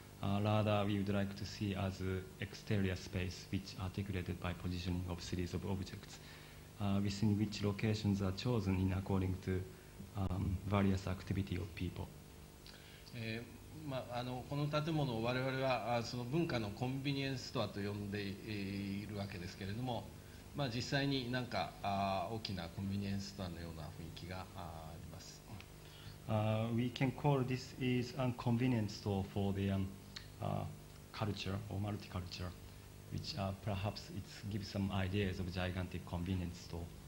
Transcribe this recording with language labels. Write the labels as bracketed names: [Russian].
[English] Rather, we would like to see as an exterior space which articulated by positioning of series of objects, within which locations are chosen in according to various activity of people. [Japanese] まあ、あのこの建物を我々はその文化のコンビニエンスストアと呼んでいるわけですけれども、まあ、実際になんか大きなコンビニエンスストアのような雰囲気があります。 [English] We can call this is a convenience store for the culture or multiculture, which perhaps it gives some ideas of gigantic convenience store.